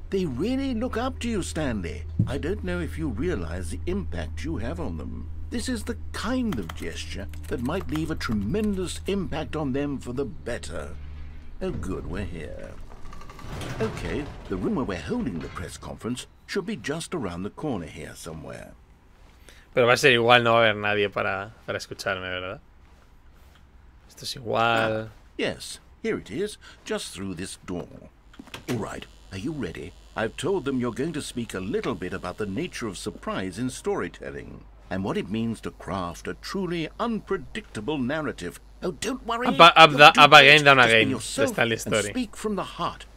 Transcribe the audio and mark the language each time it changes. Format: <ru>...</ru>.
<en>They really look up to you, Stanley. I don't know if you realize the impact you have on them. This is the kind of gesture that might leave a tremendous impact on them for the better. Oh, good, we're here. Okay, the room where we're holding the press conference should be just around the corner here somewhere.</en> <es>Pero va a ser igual, no va a haber nadie para escucharme, ¿verdad? Esto es igual.</es> <en>Yes, here it is, just through this door. All right. Are you ready? I've told them you're going to speak a little bit about the nature of surprise in storytelling and what it means to craft a truly unpredictable narrative. Oh, don't worry. Speak from the heart.</en>